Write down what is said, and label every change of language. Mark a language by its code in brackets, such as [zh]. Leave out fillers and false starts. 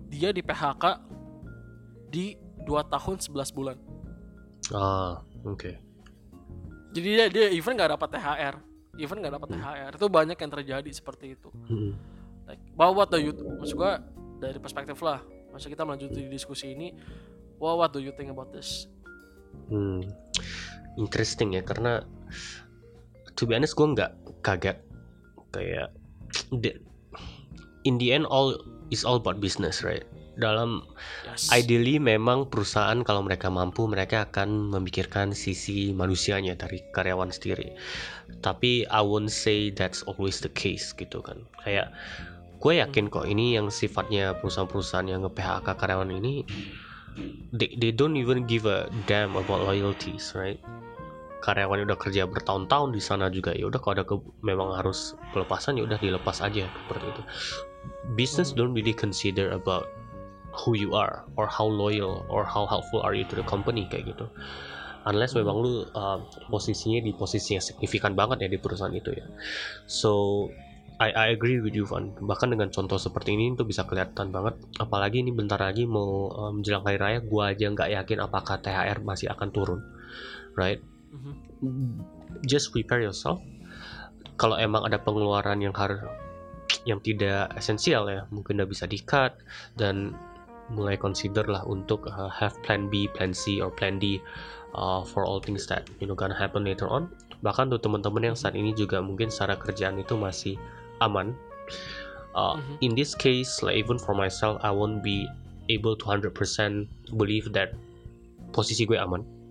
[id] Dia di PHK di 2 tahun 11 bulan. Jadi dia even gak dapat THR. Even gak dapat THR. Itu banyak yang terjadi seperti itu. Like, bahwa [en] the youth, [id] maksud gue dari perspektif lah, maksud kita melanjutkan diskusi ini, [en] Well, what do you think about this? Interesting [id] ya, karena [en] to be honest [id] gue nggak kaget kayak [en] in the end all is all about business, right? [id] Dalam yes. Ideally memang perusahaan kalau mereka mampu mereka akan memikirkan sisi manusianya dari karyawan sendiri. Tapi [en] I won't say that's always the case [id] gitu kan. Kayak gue yakin kok ini yang sifatnya perusahaan-perusahaan yang nge-PHK karyawan ini [en] they don't even give a damn about loyalties, right? [id] Karyawan udah kerja bertahun-tahun di sana juga ya udah kalau ada memang harus pelepasan ya udah dilepas aja seperti itu. [en] Business don't really consider about who you are or how loyal or how helpful are you to the company [id] kayak gitu. Unless memang lu posisinya di posisi yang signifikan banget ya di perusahaan itu ya. [en] So I agree with you, Van. [id] Bahkan dengan contoh seperti ini tuh bisa kelihatan banget. Apalagi ini bentar lagi mau menjelang hari raya, gua aja nggak yakin apakah THR masih akan turun, right? [en] Mm-hmm. Just prepare yourself. [id] Kalau emang ada pengeluaran yang tidak esensial ya, mungkin udah bisa di-cut dan mulai [en] consider [id] lah untuk [en] have plan B, plan C, or plan D for all things that you know gonna happen later on. [id] Bahkan tuh teman-teman yang saat ini juga mungkin secara kerjaan itu masih aman. [en] In this case, like even for myself, I won't be able to 100% believe that [id] posisi gue aman.